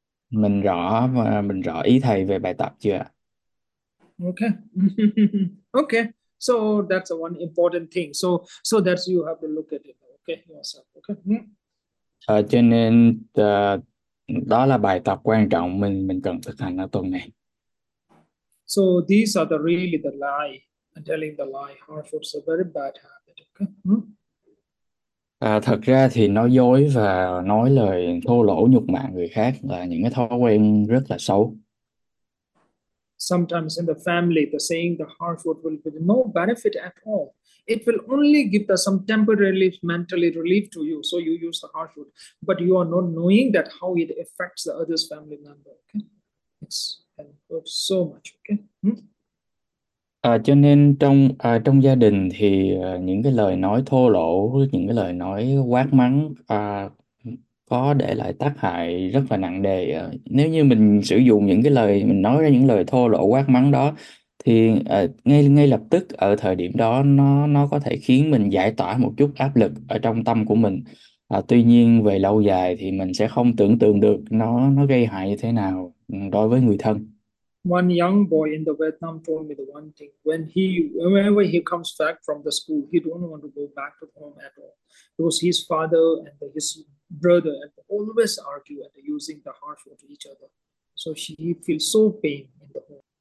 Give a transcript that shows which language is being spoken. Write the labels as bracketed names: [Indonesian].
[Vietnamese] Mình rõ và mình rõ ý thầy về bài tập chưa ạ? [English] Okay. Okay. So that's one important thing. So that's you have to look at it. Okay, yourself. Okay. [Vietnamese] Cho nên đó là bài tập quan trọng mình cần thực hành ở tuần này. [English] So these are the really the lie, and telling the lie, harsh words, a very bad habit. Okay. [Vietnamese] Thật ra thì nói dối và nói lời thô lỗ nhục mạ người khác là những cái thói quen rất là xấu. [English] Sometimes in the family, the saying the harsh word will be no benefit at all. It will only give the some temporary mentally relief to you. So you use the harsh word, but you are not knowing that how it affects the other's family member. Okay. It's helpful so much. Okay. [Vietnamese] Cho nên trong trong gia đình thì những cái lời nói thô lỗ, những cái lời nói quát mắng có để lại tác hại rất là nặng nề. Nếu như mình sử dụng những cái lời, mình nói ra những lời thô lỗ quát mắng đó, thì ngay ngay lập tức ở thời điểm đó nó có thể khiến mình giải tỏa một chút áp lực ở trong tâm của mình. Tuy nhiên về lâu dài thì mình sẽ không tưởng tượng được nó gây hại như thế nào đối với người thân. [English] One young boy in the Vietnam told me the one thing. Whenever he comes back from the school, he don't want to go back to home at all, because his father and his brother always argue and using the harsh word to each other. So he feels so pain in the home.